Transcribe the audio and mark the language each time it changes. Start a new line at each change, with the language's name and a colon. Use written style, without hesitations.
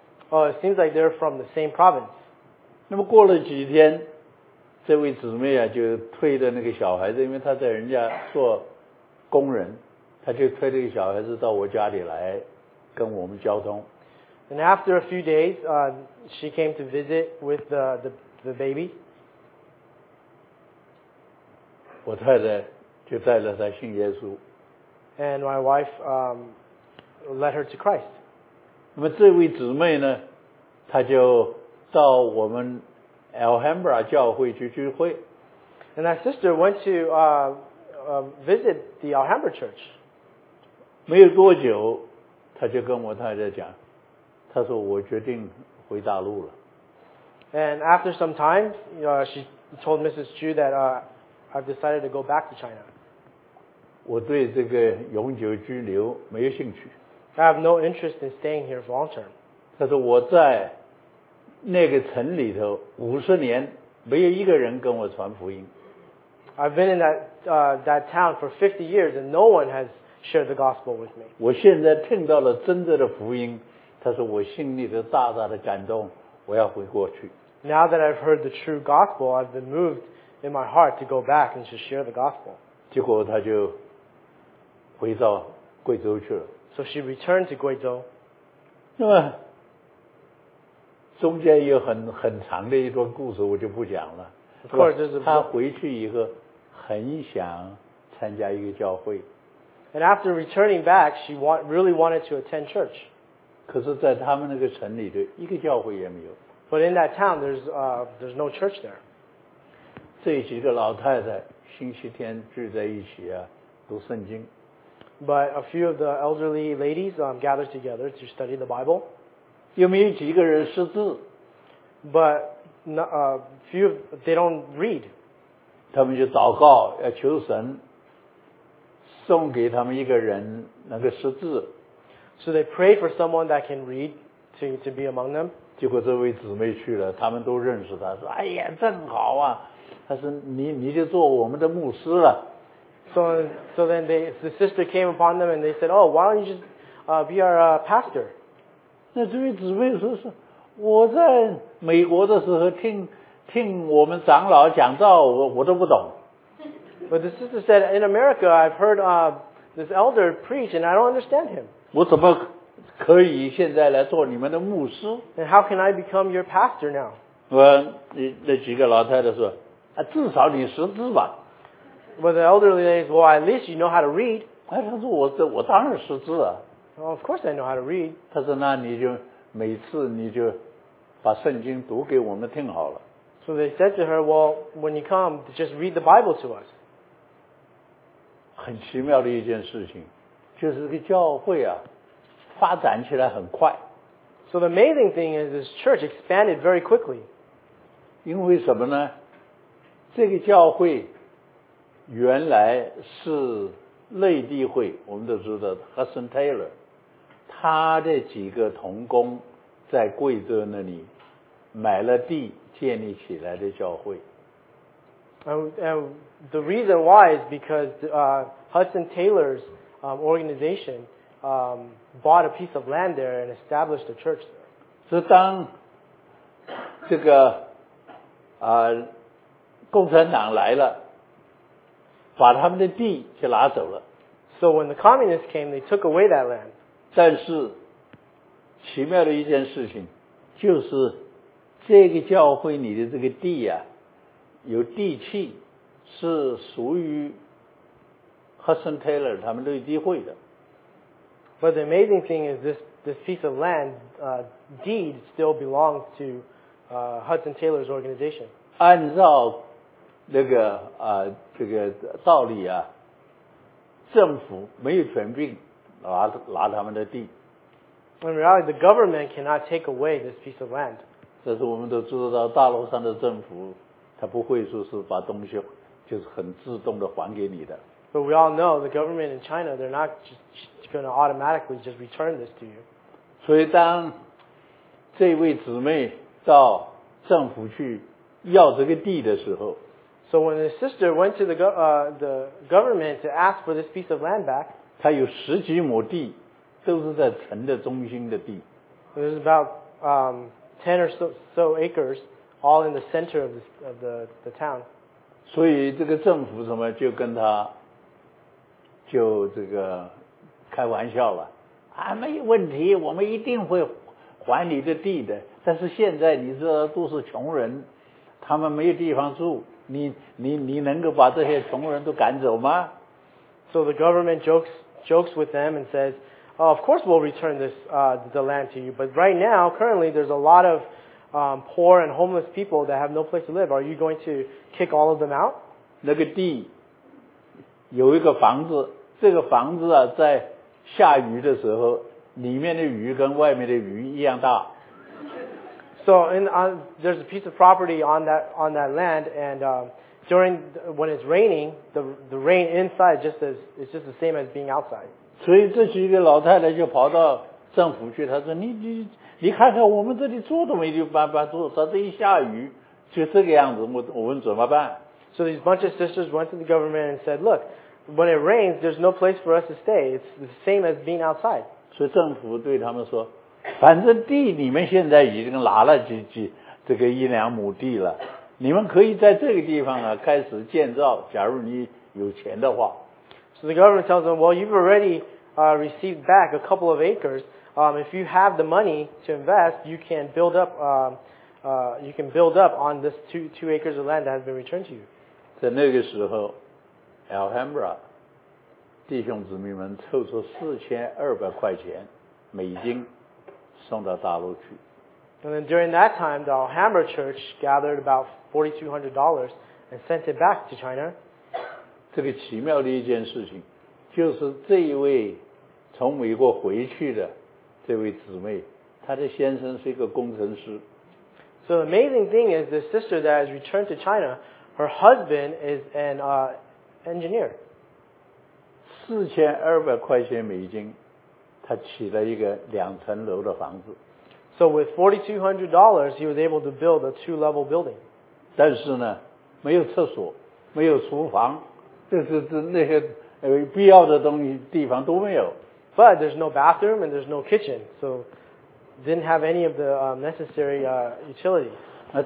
English: It seems like they're from the same province.
Chinese: 那么过了几天，这位姊妹啊，就推着那个小孩子，因为她在人家做工人，她就推着小孩子到我家里来跟我们交通。
English: And after a few days, she came to visit with the baby.
Chinese: 我太太就带了她信耶稣。
English: And my wife led her to Christ.
Chinese: 那么这位姊妹呢,他就到我们 Alhambra 教会去聚会。
English: And that sister went to visit the Alhambra church.
Chinese: 没有多久，他就跟我太太讲，他说我决定回大陆了。
English: And after some time, she told Mrs. Chu that I've decided to go back to China.
Chinese: 我对这个永久居留没有兴趣。
English: I have no interest in staying here for long term.
Chinese: 他说我在那个城里头五十年，没有一个人跟我传福音。
English: I've been in that town for 50 years and no one has shared the gospel with me.
Chinese: 我现在听到了真正的福音，他说我心里头大大的感动，我要回过去。
English: Now that I've heard the true gospel, I've been moved in my heart to go back and to share the gospel.
Chinese: 结果他就回到贵州去了。
English: So she returned to Guizhou.
Chinese: 那么中间有很长的一段故事，我就不讲了。
English: Of course, this is.
Chinese: 他回去以后很想参加一个教会。
English: And after returning back, she really wanted to attend church.
Chinese: 可是在他们那个城里的一个教会也没有。
English: But in that town, there's no church there.
Chinese: 这几个老太太星期天聚在一起啊，读圣经。
English: But a few of the elderly ladies gathered together to study the Bible.
Chinese: 有没有几个人识字？
English: But few of, they don't read.
Chinese: 他们就祷告，要求神送给他们一个人能够识字。
English: So they prayed for someone that can read to be among them.
Chinese: 结果这位姊妹去了，他们都认识他，说：“哎呀，正好啊！” 他说：“你就做我们的牧师了。”
English: So then the sister came upon them and they said, oh, why don't you just be our pastor?
Chinese: 那这位姊妹说是我在美国的时候听我们长老讲道我都不懂。
English: But the sister said, in America, I've heard this elder preach and I don't understand him.
Chinese: 我怎么可以现在来做你们的牧师？
English: And how can I become your pastor now?
Chinese: 那几个老太太说啊，至少你识字吧。
English: But the elderly lady says, well, at least you know how to read.
Chinese: 哎，他说我当然识字啊。
English: Well, of course I know how to read.
Chinese: 他说那你就每次你就把圣经读给我们听好了。
English: So they said to her, well, when you come, just read the Bible to us.
Chinese: 很奇妙的一件事情，就是这个教会啊，发展起来很快。
English: So the amazing thing is this church expanded very quickly.
Chinese: 因为什么呢？这个教会原来是内地会，我们都知道 Hudson Taylor， 他的几个同工在贵州那里买了地，建立起来的教会。
English: And the reason why is because Hudson Taylor's organization bought a piece of land there and established a church there.
Chinese: 所以当这个共产党来了。把他们的地就拿走了。
English: So when the communists came, they took away that land.
Chinese: 但是奇妙的一件事情就是这个教会里的这个地啊，有地契是属于 Hudson Taylor 他们内地会的。
English: But the amazing thing is this piece of land deed still belongs to Hudson Taylor's organization.
Chinese: 按照那个这个道理啊，政府没有权柄拿他们的地。
English: In reality, the government cannot take away this piece of land.
Chinese: 这是我们都知道的，大陆上的政府，他不会说是把东西就是很自动的还给你的。
English: But we all know the government in China, they're not just going to automatically just return this to you.
Chinese: 所以当这位姊妹到政府去要这个地的时候。
English: So when his sister went to the government to ask for this piece of land back,
Chinese: 他有十几亩地，都是在城的中心的地。
English: There's about ten or so acres, all in the center of the town.
Chinese: 所以这个政府什么就跟他就这个开玩笑了，啊，没有问题，我们一定会还你的地的。但是现在你知道都是穷人，他们没有地方住。你能够把这些穷人都赶走吗？
English: So the government jokes with them and says, of course we'll return this the land to you, but right now, currently, there's a lot of poor and homeless people that have no place to live. Are you going to kick all of them out?
Chinese: 那个地有一个房子，这个房子啊，在下雨的时候，里面的鱼跟外面的鱼一样大。
English: So in there's a piece of property on that land, and during when it's raining, the rain inside is just the same as being outside.
Chinese: 所以这几个老太太就跑到政府去，她说你看看我们这里住都没地方住，她这一下雨就这个样子，我们怎么办？
English: So these bunch of sisters went to the government and said, look, when it rains, there's no place for us to stay. It's the same as being outside.
Chinese: 所以政府对他们说，反正地你们现在已经拿了几这个一两亩地了，你们可以在这个地方啊开始建造，假如你有钱的话。
English: So the government tells them, well, you've already received back a couple of acres. If you have the money to invest, you can build up on this two acres of land that has been returned to you.
Chinese: 在那个时候 Alhambra 弟兄姊妹们凑出4200块钱美金送到大陆去。
English: And then during that time, the Alhambra church gathered about $4,200 and sent it back to China.
Chinese: 这个奇妙的一件事情就是这一位从美国回去的这位姊妹，她的先生是一个工程师。
English: So the amazing thing is the sister that has returned to China, her husband is an engineer.
Chinese: 4200块钱美金，他起了一个两层楼的房子。
English: So with $4,200, he was able to build a two-level building.
Chinese: 但是呢，没有厕所，没有厨房，这那些必要的东西地方都没有。
English: But there's no bathroom and there's no kitchen, so didn't have any of the necessary utilities.